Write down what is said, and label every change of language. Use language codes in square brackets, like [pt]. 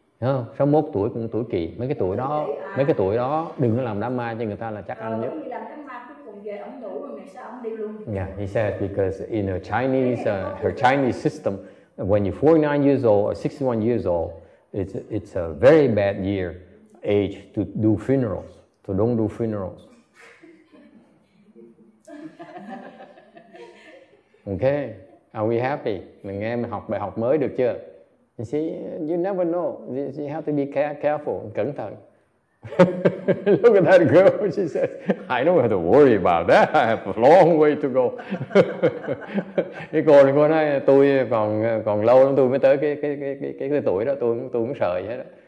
[vi] Đó, 61 tuổi cũng tuổi kỵ, mấy cái tuổi đó đừng có làm đám ma cho người ta là chắc ăn nhất. [en] Yeah, he said because in a Chinese her Chinese system, when you're 49 years old or 61 years old, it's a very bad year age to do funerals. So don't do funerals. Okay. Are we happy? [vi] Mình nghe mình học bài học mới được chưa? [en] You see, you never know. You have to be careful, [vi] cẩn thận. [en] Look at that girl, she says, I don't have to worry about that. I have a long way to go. [vi] Cái cô nói, tôi còn lâu lắm, tôi mới tới cái tuổi đó, tôi cũng sợ vậy đó.